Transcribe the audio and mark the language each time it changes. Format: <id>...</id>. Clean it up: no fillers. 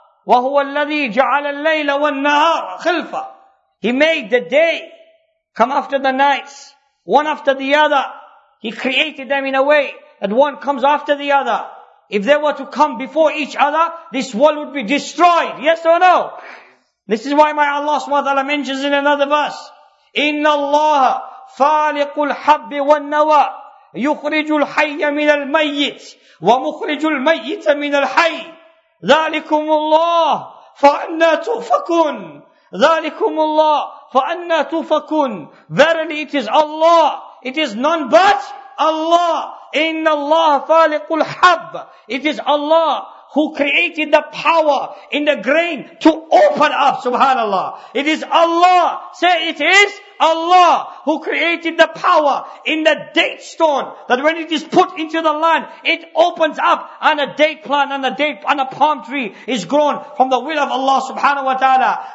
<ar>Wa huwa al-ladhi ja'ala al-layla wal-nahar. Khilfa.</ar> <en>He made the day come after the nights, one after the other. He created them in a way that one comes after the other. If they were to come before each other, this world would be destroyed. Yes or no? This is why my Allah subhanahu wa ta'ala mentions in another verse,</en> <ar>إِنَّ اللَّهَ فَالِقُ الْحَبِّ وَالنَّوَى يُخْرِجُ الْحَيَّ مِنَ الْمَيِّتِ وَمُخْرِجُ الْمَيِّتَ مِنَ الْحَيِّ ذَلِكُمُ اللَّهِ فَأَنَّا تُؤْفَكُنْ ذَلِكُمُ اللَّهِ فَأَنَّا تُؤْفَكُنْ.</ar> <en>Verily it is Allah, it is none but Allah.</en> <ar>إِنَّ اللَّهَ فَالِقُ الْحَبِّ.</ar> <en>It is Allah who created the power in the grain to open up, subhanAllah. It is Allah, say it is Allah, who created the power in the date stone, that when it is put into the land, it opens up, and a date plant and a date and a palm tree is grown from the will of Allah subhanahu wa ta'ala.</en>